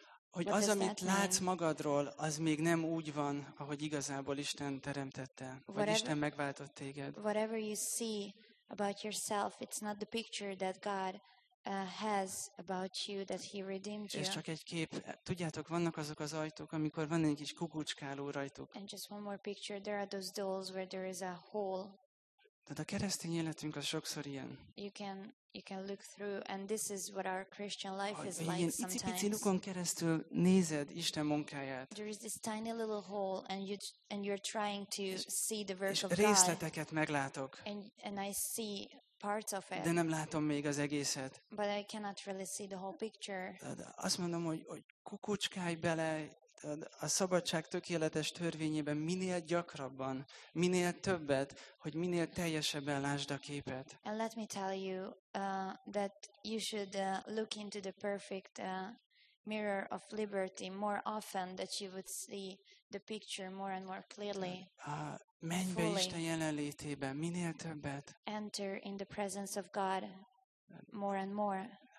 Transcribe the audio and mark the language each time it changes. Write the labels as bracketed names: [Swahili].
[Hungarian] Hogy az, amit látsz magadról, az még nem úgy van, ahogy igazából Isten teremtette, vagy Isten megváltott téged. [English] Whatever you see about yourself, it's not the picture that God has about you, that he redeemed you. [Hungarian] És csak egy kép. Tudjátok, vannak azok az ajtók, amikor van egy kis kukucskáló rajtuk. [English] And just one more picture, there are those doors where there is a hole. [Hungarian] Tehát a keresztény életünk az sokszor ilyen. [English] You can look through, and this is what our Christian life is like sometimes. [Hungarian] Ilyen icipici lukon keresztül nézed Isten munkáját. [English] There is this tiny little hole, and you're trying to see the verse of God. [Hungarian] És részleteket meglátok. [English] And I see parts of it. [Hungarian] De nem látom még az egészet. [English] But I cannot really see the whole picture. [Hungarian] Azt mondom, hogy kukucskálj bele a szabadság tökéletes törvényében minél gyakrabban, minél többet, hogy minél teljesebben lásd a képet. [English] And let me tell you that you should look into the perfect mirror of liberty more often, that you would see the picture more and more clearly. [Hungarian] Menj be Isten jelenlétébe minél többet. [English] Enter in the presence of God more and more.